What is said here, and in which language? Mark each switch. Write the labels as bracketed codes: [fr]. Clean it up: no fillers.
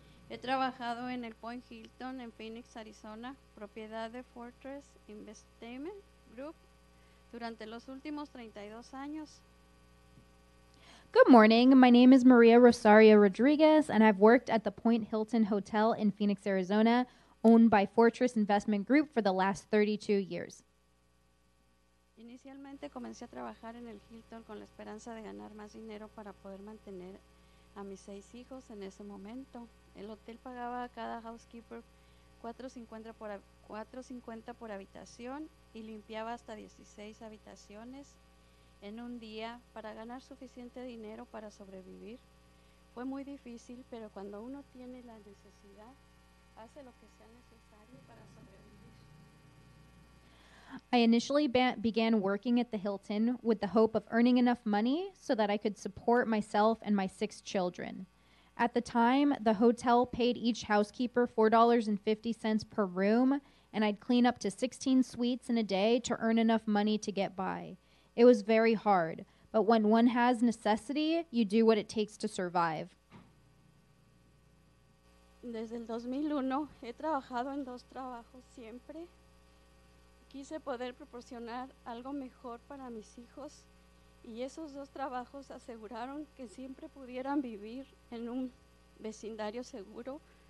[es] He trabajado en el Point Hilton en Phoenix, Arizona, propiedad de Fortress Investment Group, durante los últimos 32 años. [en] Good morning. My name is María Rosario Rodríguez, and I've worked at the Point Hilton Hotel in Phoenix, Arizona, owned by Fortress Investment Group for the last 32 years. [es] Inicialmente comencé a trabajar en el Hilton con la esperanza de ganar más dinero para poder mantener a mis 6 hijos en ese momento. El hotel pagaba a cada housekeeper $4.50 por habitación y limpiaba hasta 16 habitaciones en un día para ganar suficiente dinero para sobrevivir. Fue muy difícil, pero cuando uno tiene la necesidad, hace lo que sea necesario para sobrevivir. [en] I initially began working at the Hilton with the hope of earning enough money so that I could support myself and my 6 children. At the time, the hotel paid each housekeeper $4.50 per room, and I'd clean up to 16 suites in a day to earn enough money to get by. It was very hard, but when one has necessity, you do what it takes to survive. [es] Desde el 2001, he trabajado en dos trabajos siempre. Quise poder proporcionar algo mejor para mis hijos, y esos dos trabajos aseguraron que siempre pudieran vivir en un vecindario seguro.